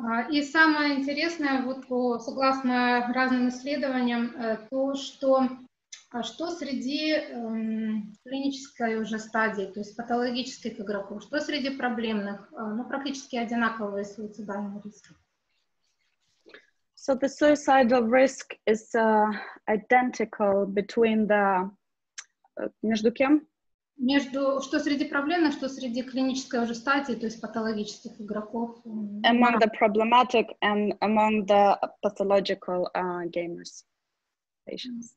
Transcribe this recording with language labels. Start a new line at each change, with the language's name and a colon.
Russian: И самое интересное, вот согласно разным исследованиям, то, что А что среди клинической уже стадии, то есть патологических игроков, что среди проблемных, ну, практически одинаковые суицидальные риски?
English: So the suicidal risk is identical between the...
Russian: Между кем? Между... Что среди проблемных, что среди клинической уже стадии, то есть патологических игроков.
English: Among the problematic and among the pathological gamers, patients.